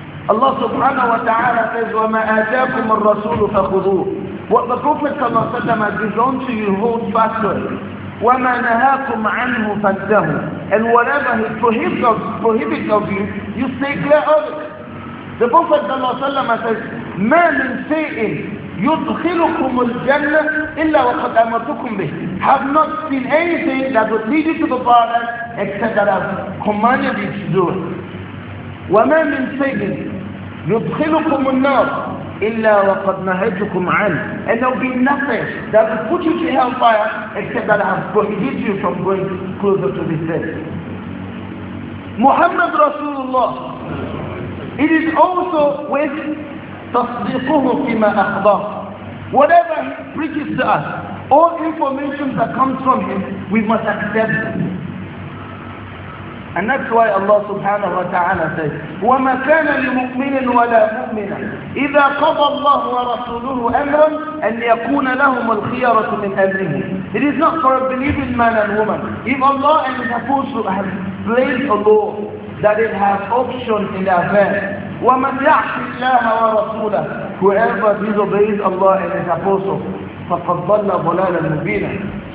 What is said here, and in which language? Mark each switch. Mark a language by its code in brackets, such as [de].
[en] Allah subhanahu wa ta'ala says, [ar] وَمَا آتَاكُمُ الرَّسُولُ فَخُذُوهُ. [en] What the Prophet sallallahu alayhi wa sallam has given unto you, hold fast to it. [ar] وَمَا نَهَاكُمْ عَنْهُ فَانْتَهُ. [en] And whatever he prohibits of you, you stay clear of it. The Prophet sallallahu alayhi wa sallam says, [ar] مَا مِنْ شَيْءٍ يُدْخِلُكُمُ الْجَنَّةِ إِلَّا وَقَدْ أَمَرْتُكُمْ بِهِ. [en] Have not seen anything that would lead you to the paradise except that I've commanded you to do it. [ar] وَمَا مِنْ شَيْءٍ يُدْخِلُكُمُ النَّارِ إِلَّا وَقَدْ نَهَيْتُكُمْ عَنْهُ. [en] And there will be nothing that will put you to hellfire except that I have prohibited you from going closer to this place. Muhammad Rasulullah, it is also with [ar] تَصْدِقُهُ فِيمَا أَخْبَرُ. [en] Whatever he preaches to us, all information that comes from him, we must accept them. And that's why Allah subhanahu wa ta'ala says, [ar] وَمَا كَانَ لِمُؤْمِنٍ وَلَا مُؤْمِنًا إِذَا قَضَى اللَّهُ وَرَسُولُهُ أَمْرًا أَنْ يَكُونَ لَهُمُ الْخِيَرَةُ مِنْ أَمْرِهِمْ. [en] It is not for a believing man and woman. If Allah and His apostle have placed a law that it has option in the affair, [ar] وَمَنْ يَعْشِ اللَّهَ وَرَسُولَهُ. [en] Whoever disobeys Allah and His apostle, [ar] فَقَدْ ضَلَّ ضَلَالًا مُبِينًا.